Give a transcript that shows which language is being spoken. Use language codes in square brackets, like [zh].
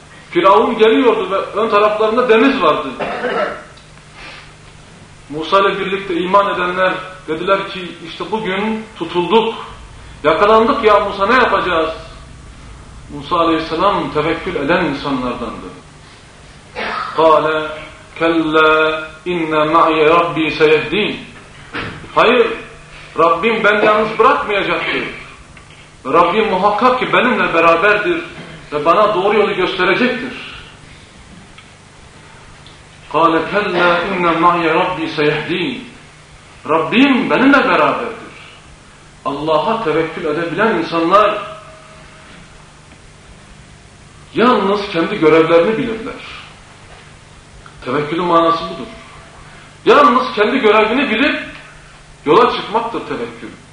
[tr] Firavun geliyordu ve ön taraflarında deniz vardı. Musa ile birlikte iman edenler dediler ki işte bugün tutulduk. Yakalandık ya Musa ne yapacağız? Musa aleyhisselam tevekkül eden insanlardandı. [ar] قَالَ كَلَّا اِنَّ مَعْيَ رَبِّي سَيَهْد۪ينَ [tr] Hayır, Rabbim beni yalnız bırakmayacaktır. Rabbim muhakkak ki benimle beraberdir ve bana doğru yolu gösterecektir. [ar] قَالَ كَلَّا اِنَّ مَعْيَ رَبِّي سَيَهْد۪ينَ [tr] Rabbim benimle beraberdir. Allah'a tevekkül edebilen insanlar yalnız kendi görevlerini bilirler. Tevekkülün manası budur. Yalnız kendi görevini bilip yola çıkmaktır tevekkül.